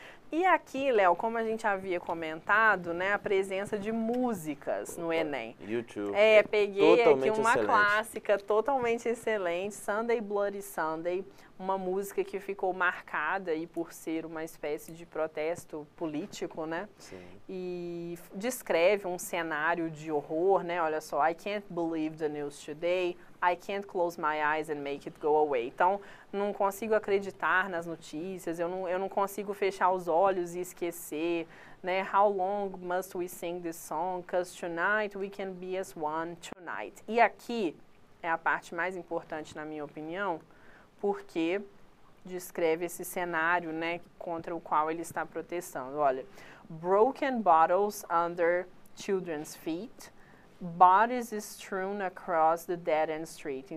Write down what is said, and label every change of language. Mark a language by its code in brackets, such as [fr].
[pt] E aqui, Léo, como a gente havia comentado, né, a presença de músicas no Enem. YouTube. É, peguei totalmente aqui uma excelente. Clássica totalmente excelente, Sunday Bloody Sunday, uma música que ficou marcada aí por ser uma espécie de protesto político, né? Sim. E descreve um cenário de horror, né? Olha só, [en] I can't believe the news today. I can't close my eyes and make it go away. [pt] Então, não consigo acreditar nas notícias, eu não consigo fechar os olhos e esquecer, né? [en] How long must we sing this song? Because tonight we can be as one tonight. [pt] E aqui é a parte mais importante, na minha opinião, porque descreve esse cenário, né, contra o qual ele está protestando. Olha, [en] broken bottles under children's feet. Bodies strewn across the dead end street.